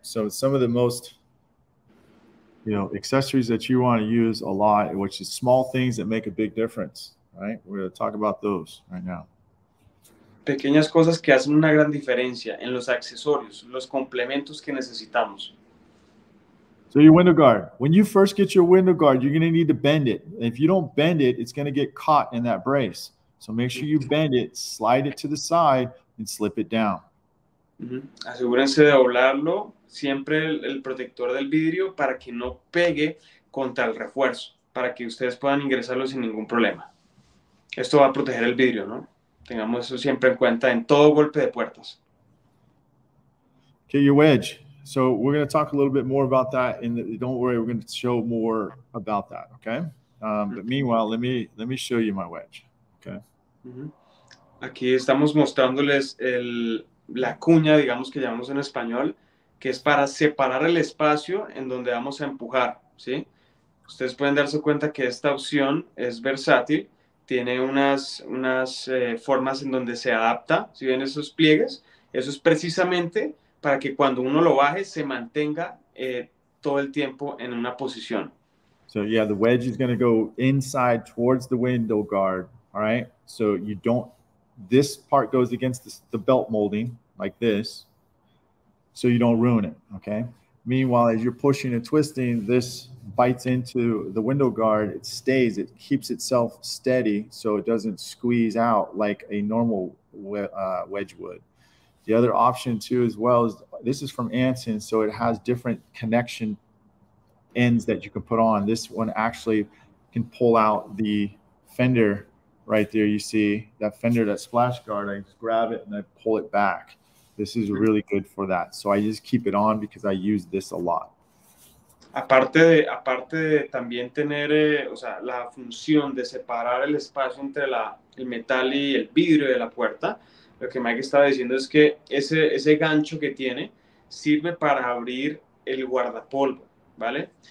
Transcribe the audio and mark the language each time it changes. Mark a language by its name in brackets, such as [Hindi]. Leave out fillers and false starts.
[English] So, some of the most, you know, accessories that you want to use a lot, which is small things that make a big difference, right? We're going to talk about those right now. [Spanish] Pequeñas cosas que hacen una gran diferencia en los accesorios, los complementos que necesitamos. [English] So your window guard. When you first get your window guard, you're going to need to bend it. And if you don't bend it, it's going to get caught in that brace. So make sure you bend it, slide it to the side, and slip it down. Mm-hmm. [Spanish] Asegúrense de doblarlo siempre el protector del vidrio para que no pegue contra el refuerzo, para que ustedes puedan ingresarlo sin ningún problema. Esto va a proteger el vidrio, ¿no? Tengamos eso siempre en cuenta en todo golpe de puertas. [English] Okay, your wedge. So we're going to talk a little bit more about that. And don't worry, we're going to show more about that, okay? But meanwhile, let me show you my wedge, okay? Mm-hmm. [Spanish] Aquí estamos mostrándoles la cuña, digamos que llamamos en español, que es para separar el espacio en donde vamos a empujar, ¿sí? Ustedes pueden darse cuenta que esta opción es versátil. Tiene unas formas en donde se adapta, si ven esos pliegues, eso es precisamente para que cuando uno lo baje se mantenga todo el tiempo en una posición. [English] So yeah, the wedge is going to go inside towards the window guard, all right? So you don't, this part goes against the belt molding like this, so you don't ruin it, okay? Meanwhile, as you're pushing and twisting, this bites into the window guard. It stays. It keeps itself steady so it doesn't squeeze out like a normal wedge would. The other option, too, as well, is this is from Anson, so it has different connection ends that you can put on. This one actually can pull out the fender right there. You see that fender, that splash guard. I just grab it and I pull it back. This is really good for that. So I just keep it on because I use this a lot. [Spanish] Aparte de también tener la función de separar el espacio entre el metal y el vidrio de la puerta, lo que Mike estaba diciendo es que ese gancho que tiene sirve para abrir el guardapolvo, ¿vale?